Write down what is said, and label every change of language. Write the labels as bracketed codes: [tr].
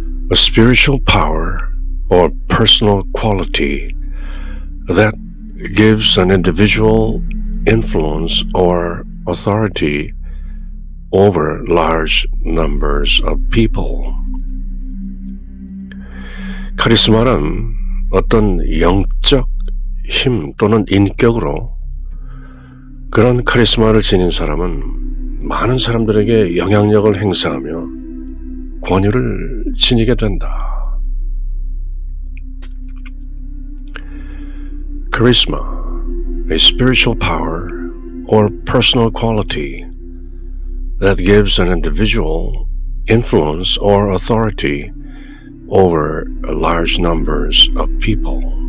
[en] A spiritual power or personal quality that gives an individual influence or authority over large numbers of people. [ko] 카리스마란 어떤 영적 힘 또는 인격으로 그런 카리스마를 지닌 사람은 많은 사람들에게 영향력을 행사하며 권위를 지니게 된다. [en] Charisma, a spiritual power or personal quality that gives an individual influence or authority over large numbers of people.